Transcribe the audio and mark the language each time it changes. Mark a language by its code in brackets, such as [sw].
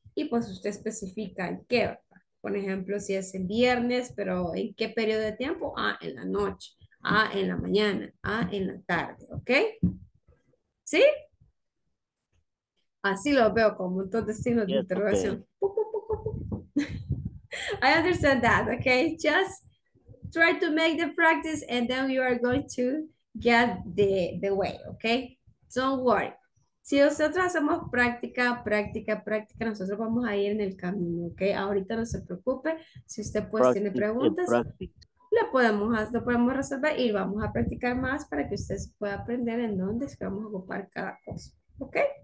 [es] y pues usted especifica en qué. Por ejemplo, si es el viernes, pero ¿en qué periodo de tiempo? Ah, en la noche. Ah, en la mañana. Ah, en la tarde. ¿Ok? ¿Sí? Así lo veo con un montón de signos de interrogación. [en] Okay. I understand that. ¿Ok? Just try to make the practice and then you are going to get the way. ¿Ok? Don't worry. [es] Si nosotros hacemos práctica, práctica, práctica, nosotros vamos a ir en el camino, ¿ok? Ahorita no se preocupe. Si usted pues practice, tiene preguntas, lo podemos resolver y vamos a practicar más para que usted pueda aprender en dónde es que vamos a ocupar cada cosa, ¿ok?